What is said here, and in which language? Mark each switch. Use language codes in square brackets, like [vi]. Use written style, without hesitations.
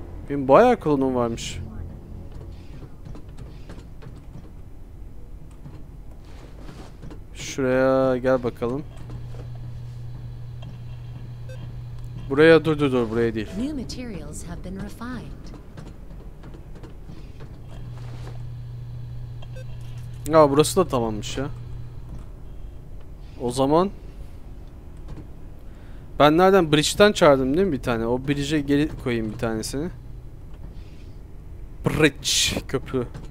[tr] Benim bayağı klonum varmış. Şuraya gel bakalım. Buraya dur buraya değil. [en] New materials have been refined. [tr] Ya burası da tamammış ya. O zaman ben nereden bridge'ten çağırdım değil mi bir tane? O bridge'e geri koyayım bir tanesini. Bridge köprü.